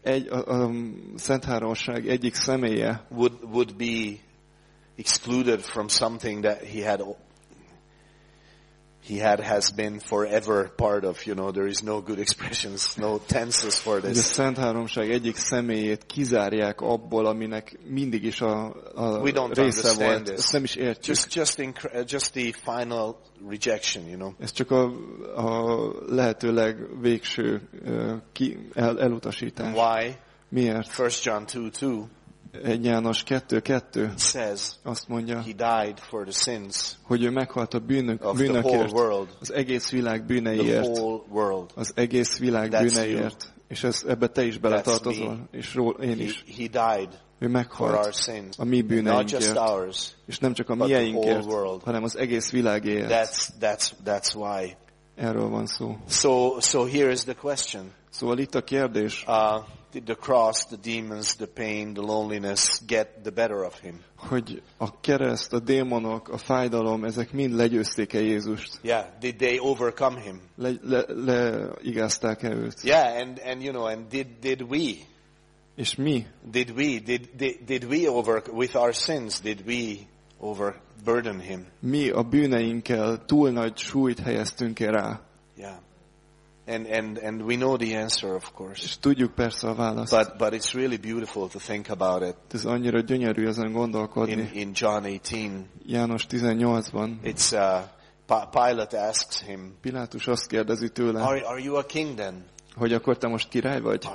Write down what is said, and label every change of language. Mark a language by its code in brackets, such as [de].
[hu] egy Szentháromság egyik személye, [en] would be excluded from something that he has been forever part of, you know, there is no good expressions, no tenses for this. [hu] A Szentháromság egyik személyét kizárják abból, aminek mindig is a [en] we don't [hu] része [en] understand [hu] volt. [en] This. [hu] Ezt nem is értjük. [en] Just the final rejection, you know. [hu] Ez csak a lehetőleg végső elutasítás. [en] Why? [hu] Miért? [en] 1 John 2:2. [hu] 1 János 2:2 [en] says, [hu] azt mondja, [en] he died for the sins, [hu] hogy ő meghalt a bűnökért, az egész világ bűneiért, az egész világ bűneiért, és ez ebbe te is beletartozol, és én is. [en] He died, [hu] ő meghalt [en] for our sins, [hu] a mi bűneinkért, [en] ours, [hu] és nem csak a mieinkért, hanem az egész világért. [en] That's why. [hu] Erről van szó. [en] So here is the question. [hu] Szóval itt a kérdés. [en] the cross, the demons, the pain, the loneliness get the better of him. [hu] Hogy a kereszt, a démonok, a fájdalom, ezek mind legyőzték-e Jézust? [en] Yeah, did they overcome him? [hu] Leigázták-e őt? [en] Yeah, and you know, and did we? [hu] És mi? [en] Did we overcome with our sins? Did we overburden him? [hu] Mi a bűneinkkel túl nagy súlyt helyeztünk-e rá? [en] Yeah. And we know the answer, of course. [hu] És tudjuk persze a választ. [en] But it's really beautiful to think about it. [hu] Ez annyira gyönyörű ezen gondolkodni. [en] In John 18. [hu] János 18-ban. [en] It's Pilate asks him. [hu] Pilátus azt kérdezi tőle. [en] Are you a king then? [hu] Hogy akkor te most király vagy?